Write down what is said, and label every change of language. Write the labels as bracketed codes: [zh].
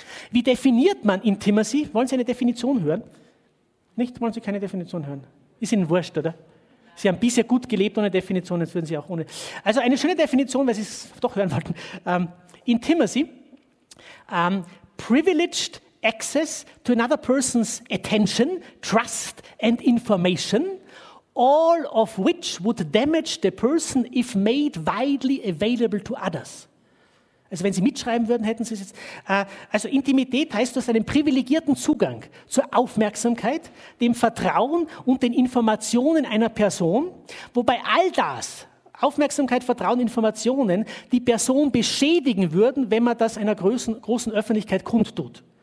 [de] Wie definiert man Intimacy? Wollen Sie eine Definition hören? Nicht? Wollen Sie keine Definition hören? Ist Ihnen wurscht, oder? Sie haben bisher gut gelebt ohne Definition, jetzt würden Sie auch ohne. Also eine schöne Definition, weil Sie es doch hören wollten. [en] Intimacy, privileged access to another person's attention, trust and information, all of which would damage the person if made widely available to others. [de] Also wenn Sie mitschreiben würden, hätten Sie es jetzt. Also Intimität heißt, du hast einen privilegierten Zugang zur Aufmerksamkeit, dem Vertrauen und den Informationen einer Person, wobei all das, Aufmerksamkeit, Vertrauen, Informationen, die Person beschädigen würden, wenn man das einer großen Öffentlichkeit kundtut.